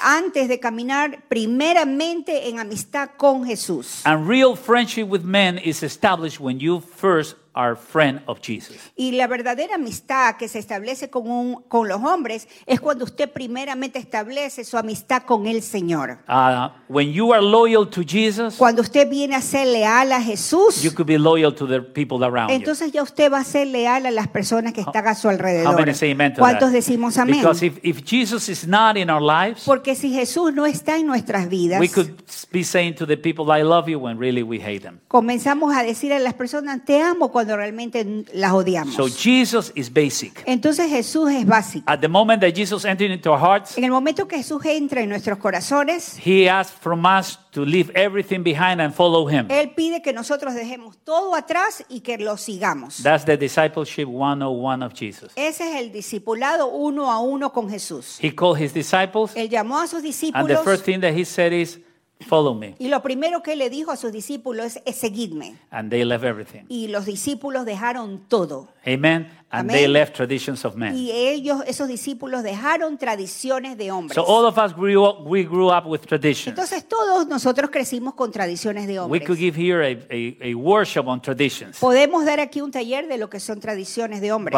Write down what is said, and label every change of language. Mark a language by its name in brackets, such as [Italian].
[Spanish] Antes de caminar primeramente en amistad con Jesús. [English] And real friendship with men is established when you first are friend of Jesus. [Spanish] Y la verdadera amistad que se establece con un con los hombres es cuando usted primeramente establece su amistad con el Señor. [English] When you are loyal to Jesus, [Spanish] cuando usted viene a ser leal a Jesús, [English] you could be loyal to the people around you. [Spanish] Entonces ya usted va a ser leal a las personas que están a su alrededor. [English] How many say amen to [Spanish] ¿Cuántos [English] that? [Spanish] Decimos amén? [English] Because if Jesus is not in our lives, [Spanish] porque si Jesús no está en nuestras vidas, [English] we could be saying to the people, "I love you," when really we hate them. [Spanish] Comenzamos a decir a las personas, "Te amo," cuando realmente las odiamos. [English] So Jesus is basic. [Spanish] Entonces Jesús es básico. [English] At the moment that Jesus entered into our hearts, [Spanish] en el momento que Jesús entra en nuestros corazones, [English] he asked from us to leave everything behind and follow him. [Spanish] Él pide que nosotros dejemos todo atrás y que lo sigamos. [English] That's the discipleship 101 of Jesus. [Spanish] Ese es el discipulado uno a uno con Jesús. [English] He called his disciples. [Spanish] Él llamó a sus discípulos. [English] And the first thing that he said is, follow me. [Spanish] Y lo primero que le dijo a sus discípulos es seguidme. [English] And they left everything. [Spanish] Y los discípulos dejaron todo. [English] Amen. And Amen. They left traditions of men. [Spanish] Y ellos, esos discípulos, dejaron tradiciones de hombres. [English] So all of us grew up with traditions. [Spanish] Entonces todos nosotros crecimos con tradiciones de hombres. [English] We could give here a worship on traditions. [Spanish] Podemos dar aquí un taller de lo que son tradiciones de hombres.